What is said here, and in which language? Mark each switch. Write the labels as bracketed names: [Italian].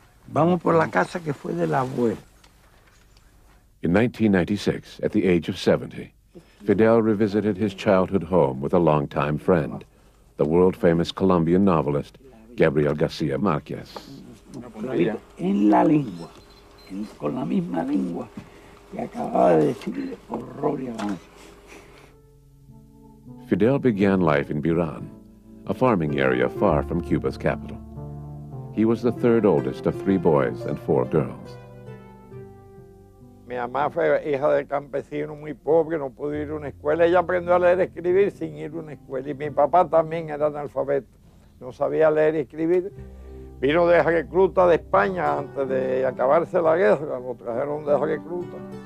[Spanish] Vamos por la casa que fue del abuelo. [English] In 1996, at the age of 70, Fidel revisited his childhood home with a longtime friend, the world-famous Colombian novelist Gabriel García Márquez. [Spanish] En la lengua, con la misma lengua que acababa de decir horror y avance. [English] Fidel began life in Burán, a farming area far from Cuba's capital. He was the third oldest of three boys and four girls. [Spanish] Mi mamá fue hija de campesino muy pobre, no pudo ir a una escuela. Ella aprendió a leer y escribir sin ir a una escuela. Y mi papá también era analfabeto, no sabía leer y escribir. Vino de recluta de España antes de acabarse la guerra, lo trajeron de recluta.